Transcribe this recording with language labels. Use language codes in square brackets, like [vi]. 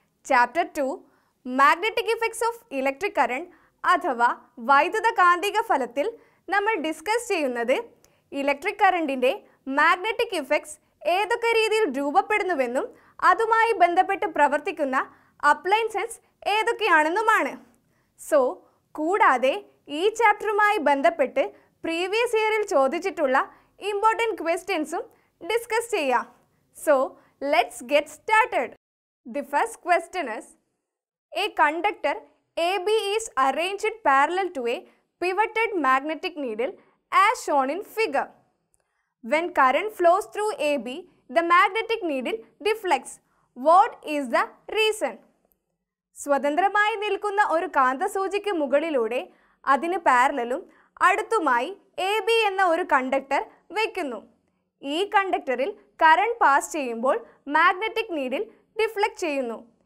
[en] Chapter 2 magnetic effects of electric current [ml] athava vaidyutha kaanthika phalathil nammal discuss cheyyunnathu electric current inde magnetic effects ഏതൊക്കെ രീതിയിൽ രൂപപ്പെടുന്നുവെന്നും അതുമായി ബന്ധപ്പെട്ട് പ്രവർത്തിക്കുന്ന appliances ഏതൊക്കെയാണെന്നുമാണ്. So കൂടാതെ ഈ ചാപ്റ്ററുമായി ബന്ധപ്പെട്ട് പ്രീവിയസ് ഇയറിൽ ചോദിച്ചിട്ടുള്ള ഇമ്പോർട്ടൻറ്റ് ക്വസ്റ്റ്യൻസും ഡിസ്കസ് ചെയ്യാം. [en] So let's get started. The first question is a conductor A B is arranged parallel to a pivoted magnetic needle as shown in figure. When current flows through AB, the magnetic needle deflects. What is the reason? [ml] സ്വതന്ത്രമായി നിൽക്കുന്ന ഒരു കാന്തസൂചിക്ക് മുകളിലൂടെ അതിന് പാരലലും അടുത്തുമായി AB എന്ന ഒരു conductor വയ്ക്കുന്നു. ഈ കണ്ടക്ടറിൽ current pass ചെയ്യുമ്പോൾ മാഗ്നറ്റിക് നീഡിൽ ഡിഫ്ലക്ട് ചെയ്യുന്നു.